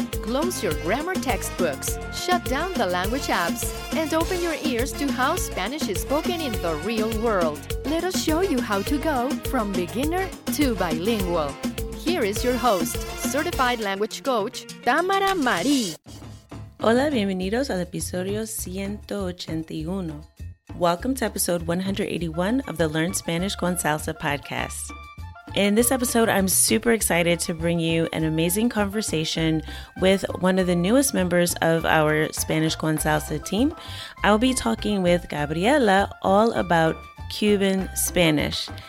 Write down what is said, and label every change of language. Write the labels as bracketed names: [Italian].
[English] Close your grammar textbooks, shut down the language apps, and open your ears to how Spanish is spoken in the real world. Let us show you how to go from beginner to bilingual. Here is your host, certified language coach, Tamara Marie. [Spanish] Hola, bienvenidos al episodio 181. [English] Welcome to episode 181 of the Learn Spanish con Salsa podcast. In this episode, I'm super excited to bring you an amazing conversation with one of the newest members of our Spanish con Salsa team. I'll be talking with Gabriela all about Cuban Spanish.